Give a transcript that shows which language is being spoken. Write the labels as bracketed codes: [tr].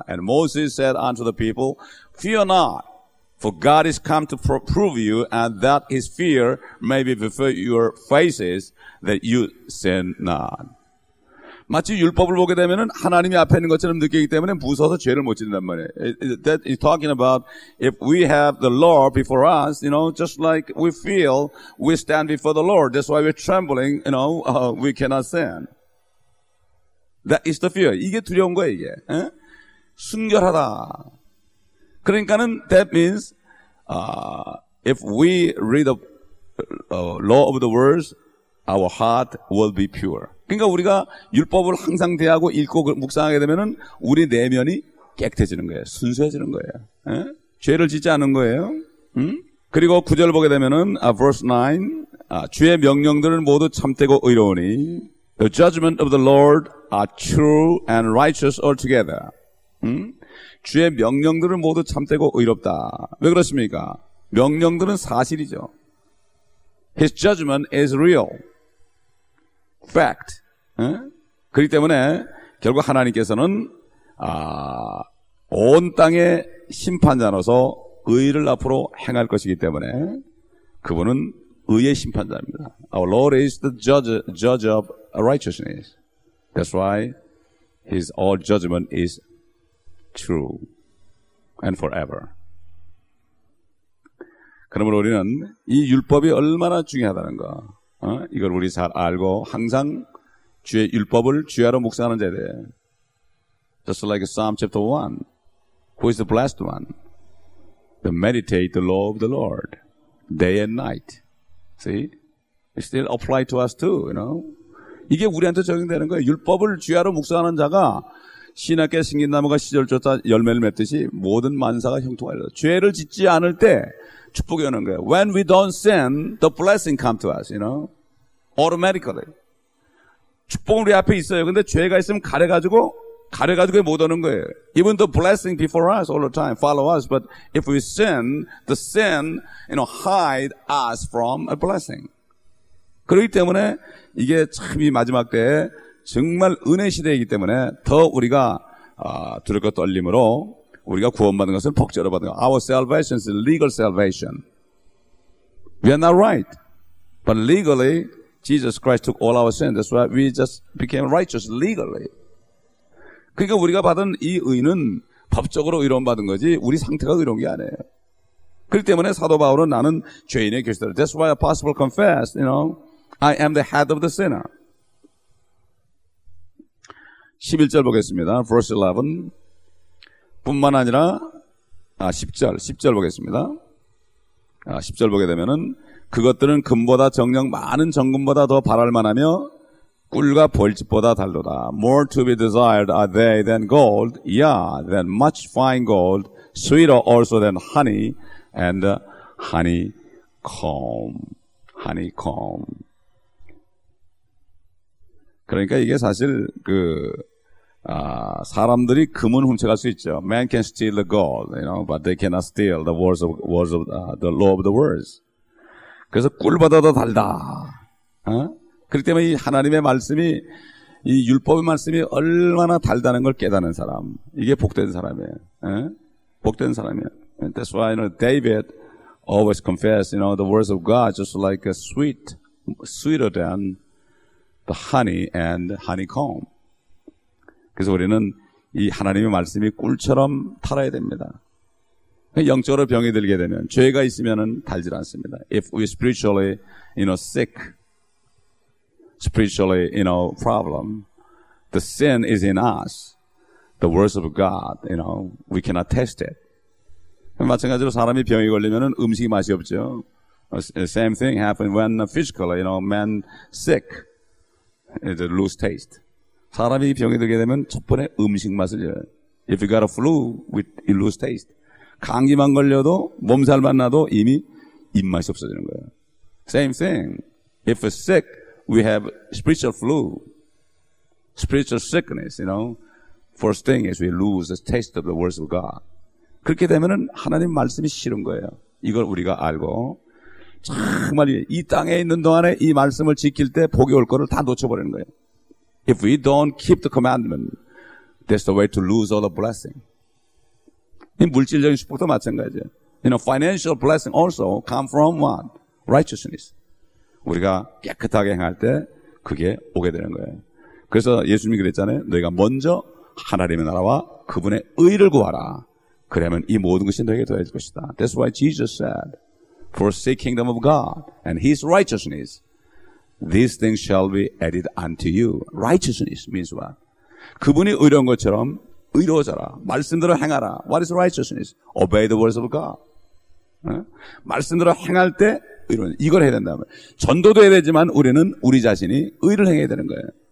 [en] And Moses said unto the people, Fear not, for God is come to prove you, and that his fear may be before your faces that you sin not. [ko] 마치 율법을 보게 되면은 하나님이 앞에 있는 것처럼 느끼기 때문에 무서워서 죄를 못 짓는단 말이에요. [en] That is talking about if we have the Lord before us, you know, just like we feel we stand before the Lord. That's why we're trembling, you know, we cannot sin. That is the fear. [ko] 이게 두려운 거예요, 이게. 에? 순결하다. 그러니까는 [en] that means if we read the law of the words, our heart will be pure. [ko] 그러니까 우리가 율법을 항상 대하고 읽고 묵상하게 되면은 우리 내면이 깨끗해지는 거예요. 순수해지는 거예요. 에? 죄를 짓지 않은 거예요. 음? 그리고 구절을 보게 되면은 verse 9 주의 명령들은 모두 참되고 의로우니 [en] The judgment of the Lord are true and righteous altogether. [ko] 음? 주의 명령들은 모두 참되고 의롭다. 왜 그렇습니까? 명령들은 사실이죠. His judgment is real. [en] Fact. [ko] 그렇기 때문에 결국 하나님께서는 온 땅의 심판자로서 의를 앞으로 행할 것이기 때문에 그분은 의의 심판자입니다. [en] Our Lord is the judge of righteousness. That's why His all judgment is true and forever. [ko] 그러므로 우리는 이 율법이 얼마나 중요하다는 거. 이걸 우리 잘 알고 항상 주의 율법을 주야로 묵상하는 자에 대해 [en] Just like Psalm chapter 1 Who is the blessed one? The meditate the law of the Lord Day and night See? It still apply to us too, you know? [ko] 이게 우리한테 적용되는 거예요. 율법을 주야로 묵상하는 자가 신약의 신긴나무가 시절 쫓아 열매를 맺듯이 모든 만사가 형통하리라 죄를 짓지 않을 때 축복이 오는 거예요. [en] When we don't sin, the blessing come to us, you know? Automatically. [ko] 축복은 우리 앞에 있어요. 근데 죄가 있으면 가려가지고, 못 오는 거예요. [en] Even the blessing before us all the time, follow us. But if we sin, the sin, you know, hide us from a blessing. [ko] 그렇기 때문에 이게 참 이 마지막 때에 정말 은혜 시대이기 때문에 더 우리가, 두렵고 떨림으로 우리가 구원받은 것은 복지로 받은 것. [en] Our salvation is legal salvation. We are not right. But legally, Jesus Christ took all our sins. That's why we just became righteous legally. [ko] 그러니까 우리가 받은 이 의는 법적으로 의로운 받은 거지 우리 상태가 의로운 게 아니에요. 그렇기 때문에 사도 바울은 나는 죄인의 교실이다. [en] That's why a possible confess, you know, I am the head of the sinner. [ko] 11절 보겠습니다. [en] Verse 11. [ko] 뿐만 아니라 10절 보겠습니다. 10절 보게 되면은 그것들은 금보다 정녕 많은 정금보다 더 바랄 만하며 꿀과 벌집보다 달도다. [en] More to be desired are they than gold, yea, than much fine gold, sweeter also than honey, and honeycomb. Honeycomb. [ko] 그러니까 이게 사실 그 사람들이 금은 훔쳐갈 수 있죠. [en] Man can steal the gold, you know, but they cannot steal the words of the law of the words. [ko] 그래서 꿀보다도 달다. 그렇기 때문에 이 하나님의 말씀이 이 율법의 말씀이 얼마나 달다는 걸 깨닫는 사람, 이게 복된 사람이에요. 복된 사람이에요. [en] That's why you know, David always confessed, you know, the words of God just like a sweeter than the honey and honeycomb. [ko] 그래서 우리는 이 하나님의 말씀이 꿀처럼 달아야 됩니다. 영적으로 병이 들게 되면, 죄가 있으면은 달질 않습니다. [en] If we spiritually, you know, sick, spiritually, you know, problem, the sin is in us, the words of God, you know, we cannot taste it. [ko] 마찬가지로 사람이 병이 걸리면은 음식이 맛이 없죠. [en] Same thing happens when physically, you know, man sick, they lose taste. [ko] 사람이 병이 들게 되면 첫 번에 음식 맛을 잃어요. [en] If you got a flu, you lose taste. [ko] 감기만 걸려도 몸살만 나도 이미 입맛이 없어지는 거예요. [en] Same thing. If we're sick, we have spiritual flu. Spiritual sickness, you know. First thing is we lose the taste of the words of God. [ko] 그렇게 되면은 하나님 말씀이 싫은 거예요. 이걸 우리가 알고 정말 이 땅에 있는 동안에 이 말씀을 지킬 때 복이 올 거를 다 놓쳐버리는 거예요. [en] If we don't keep the commandment, that's the way to lose all the blessing. [ko] 이 물질적인 축복도 마찬가지예요. [en] You know, financial blessing also come from what? Righteousness. [ko] 우리가 깨끗하게 행할 때 그게 오게 되는 거예요. 그래서 예수님이 그랬잖아요. 너희가 먼저 하나님의 나라와 그분의 의를 구하라. 그러면 이 모든 것이 너에게 더해질 것이다. [en] That's why Jesus said, Forsake the kingdom of God and His righteousness. These things shall be added unto you. Righteousness means what? [ko] 그분이 의로운 것처럼 의로워져라. 말씀대로 행하라. [en] What is righteousness? Obey the words of God. [ko] 말씀대로 행할 때 의로운, 이걸 해야 된다면 전도도 해야 되지만 우리는 우리 자신이 의를 행해야 되는 거예요.